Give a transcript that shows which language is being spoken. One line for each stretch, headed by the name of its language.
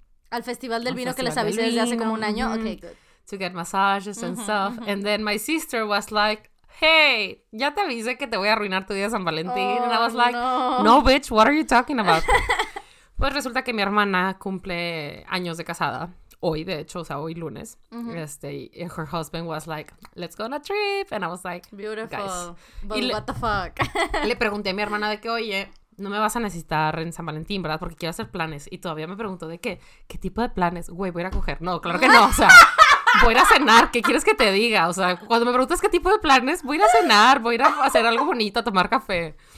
Spanish: al festival del vino festival que les avisé desde hace como un año.
English: Ok, good. To get massages and stuff. And then my sister was like...
Spanish: hey, ya te avisé que te voy a arruinar tu día de San Valentín.
English: Oh, and I was like, no, no bitch, what are you talking about?
Spanish: Pues resulta que mi hermana cumple años de casada. Hoy, de hecho, o sea, hoy lunes.
English: And her husband was like, let's go on a trip. And I was like, beautiful. Guys. But what the fuck?
Spanish: Le pregunté a mi hermana de que, oye, no me vas a necesitar en San Valentín, ¿verdad? Porque quiero hacer planes. Y todavía me preguntó de qué tipo de planes. Güey, voy a ir a coger. No, claro que no, o sea. Voy a cenar, ¿qué quieres que te diga? O sea, cuando me preguntas qué tipo de planes, voy a ir a cenar, voy a ir a hacer algo bonito, a tomar café.